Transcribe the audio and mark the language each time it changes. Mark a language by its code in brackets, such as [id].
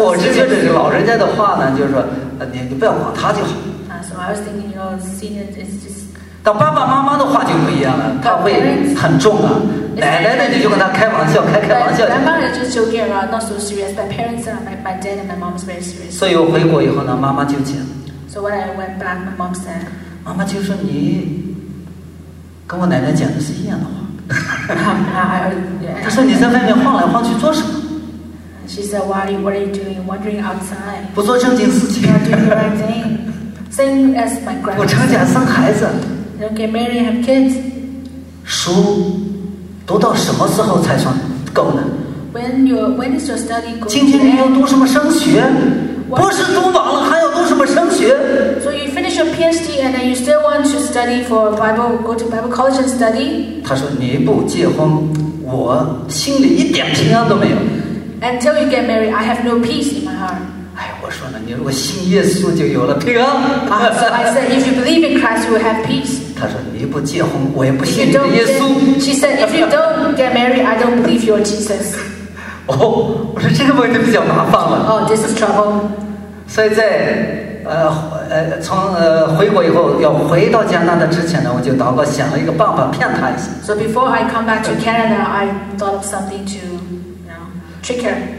[zh] 我就觉得老人家的话呢就是说 你不要管他就好 [en] So I was thinking you know senior is just [zh] 但爸爸妈妈的话就不一样了他会很重啊奶奶呢，你就跟他开玩笑，开玩笑。 [en] My mother just joking around, not so serious. My parents are, my dad and my mom is very serious. [zh] 所以我回国以后呢，妈妈就讲。 [en] So when I went back, my mom said, [zh] 妈妈就说你跟我奶奶讲的是一样的话。她说你在外面晃来晃去做什么？ [en] She said, what are you doing? Wandering outside. [zh] 不做正经事情。 [en] You're not doing the right thing. Same as my grandma. [zh] 我成家生孩子。 [en] You don't get married and have kids. [zh] 书读到什么时候才算够呢？ [en] When is your study going to end? [zh] 今天你要读什么升学？ [en] What? [zh] 不是读完了还要读什么升学？ [en] So you finish your PhD and then you still want to study for Bible, go to Bible college and study? [zh] 她说你不结婚，我心里一点平安都没有。 [en] Until you get married, I have no peace in my heart. [zh] 哎，我说呢，你如果信耶稣就有了平安。 [en] I said, if you believe in Christ, you will have peace. [zh] 她说你不结婚，我也不信你的耶稣。 [en] She said, if you don't get married, I don't believe your Jesus. [zh] 我说这个问题比较麻烦了。 [en] Oh, this is trouble. [zh] 所以在从回国以后，要回到加拿大之前呢，我就祷告，想了一个办法骗他一下。 [en] So before I come back to Canada, I thought of something to. Trick her.